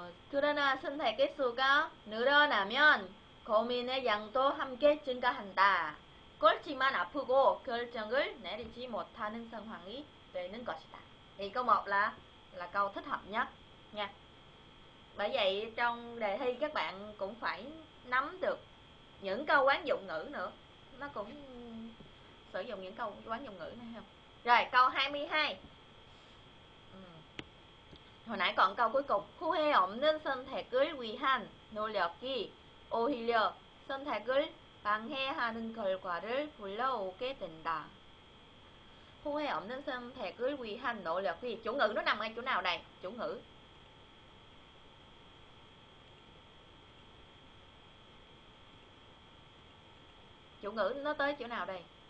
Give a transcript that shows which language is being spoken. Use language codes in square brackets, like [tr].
[ko] 그러나 선택의 수가 늘어나면 고민의 양도 함께 증가한다. 골치만 아프고 결정을 내리지 못하는 상황이 되는 것이다. [vi] Thì câu 1 là câu thích hợp nhất nha. Bởi vậy trong đề thi các bạn cũng phải nắm được những câu quán dụng ngữ nữa, nó cũng sử dụng những câu quán dụng ngữ này không. Rồi câu 22, [ko] 전에 광고 그거 후회 없는 선택을 위한 노력이 오히려 선택을 방해하는 결과를 불러오게 된다. 후회 없는 선택을 위한 노력이 [vi] chủ ngữ nó nằm ở chỗ nào đây? Chủ ngữ. Chủ ngữ nó tới chỗ nào đây?